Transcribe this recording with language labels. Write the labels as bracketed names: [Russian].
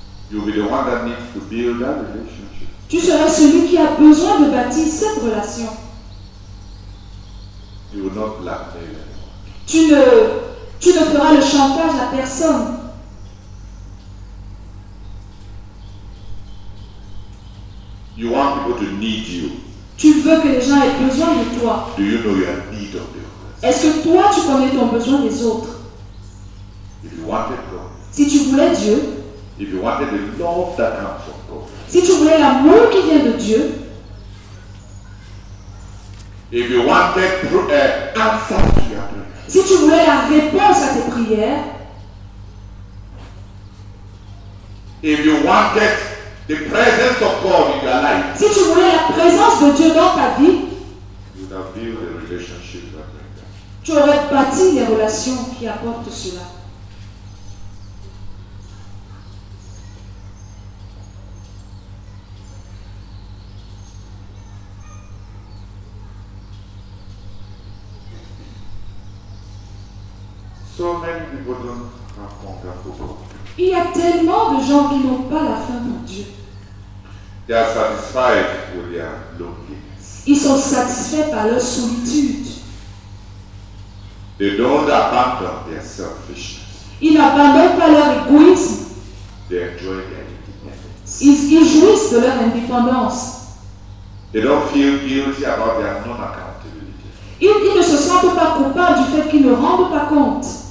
[English] You will be the one that needs to build that relationship. [French] Tu seras celui qui a besoin de bâtir cette relation. [English] You will not blackmail. [French] Tu ne feras le chantage à personne. [English] You want people to need you. [French] Tu veux que les gens aient besoin de toi. [English] Do you know you are need of the others? [French] Est-ce que toi tu connais ton besoin des autres? [English] If you wanted God. [French] Si tu voulais Dieu. [English] If you wanted the love that comes from God. [French] Si tu voulais l'amour qui vient de Dieu. [English] If you wanted answers to your prayer. [French] Si tu voulais la réponse à tes prières. [English] If you wanted the presence of God in your life. [French] Si tu voulais la présence de Dieu dans ta vie. [English] You would have built a relationship that like that. [French] Tu aurais bâti les relations qui apportent cela. [English] So many people don't have hunger for God. [French] Il y a tellement de gens qui n'ont pas la faim pour Dieu. [English] They are satisfied with their loneliness. [French] Ils sont satisfaits par leur solitude. [English] They don't abandon their selfishness. [French] Ils n'abandonnent pas leur égoïsme. [English] They enjoy their independence. [French] Ils jouissent de leur indépendance. [English] They don't feel guilty about their non-accountability. [French] Ils ne se sentent pas coupables du fait qu'ils ne rendent pas compte.